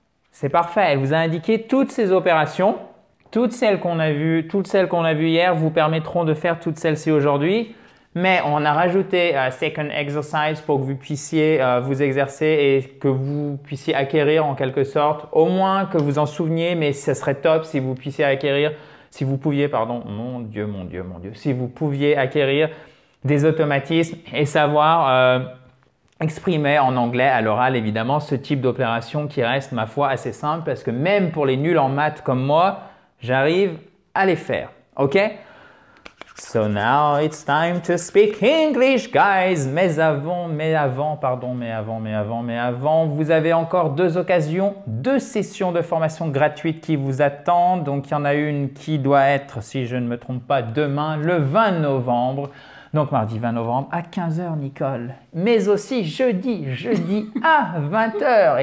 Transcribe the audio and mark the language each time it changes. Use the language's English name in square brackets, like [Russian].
[French] C'est parfait, elle vous a indiqué toutes ces opérations, toutes celles qu'on a vues hier vous permettront de faire toutes celles-ci aujourd'hui, mais on a rajouté un second exercise pour que vous puissiez vous exercer et que vous puissiez acquérir en quelque sorte, au moins que vous en souveniez, mais ce serait top si vous puissiez acquérir, si vous pouviez, pardon, mon Dieu, si vous pouviez acquérir des automatismes et savoir exprimer en anglais à l'oral, évidemment, ce type d'opération qui reste, ma foi, assez simple parce que même pour les nuls en maths comme moi, j'arrive à les faire, ok? [English] So now it's time to speak English, guys. [French] Mais avant, vous avez encore deux occasions, deux sessions de formation gratuites qui vous attendent. Donc, il y en a une qui doit être, si je ne me trompe pas, demain, le 20 novembre. Donc, mardi 20 novembre à 15h, Nicole. Mais aussi jeudi à 20h.